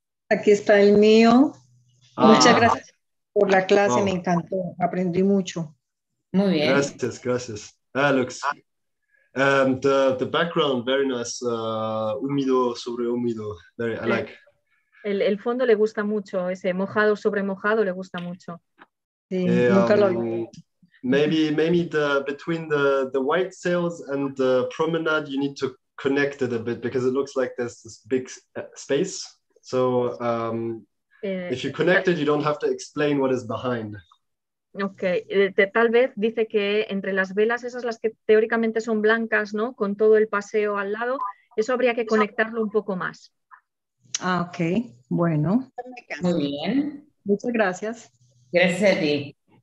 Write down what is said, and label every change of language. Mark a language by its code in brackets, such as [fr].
[es] Aquí está el mío. Muchas gracias por la clase, me encantó. Aprendí mucho. Muy bien. Gracias. [en] Alex. The background, very nice, [es] húmedo sobre húmedo, [en] very, I like. [es] El fondo le gusta mucho, ese mojado sobre mojado le gusta mucho. Sí, nunca lo vi. [en] Maybe the between the white sails and the promenade, you need to connect it a bit because it looks like there's this big space. So if you connect it, you don't have to explain what is behind. [es] Ok, tal vez dice que entre las velas, esas las que teóricamente son blancas, ¿no? Con todo el paseo al lado, eso habría que conectarlo un poco más. Ah, ok, bueno. Muy bien. Muchas gracias. Gracias a ti.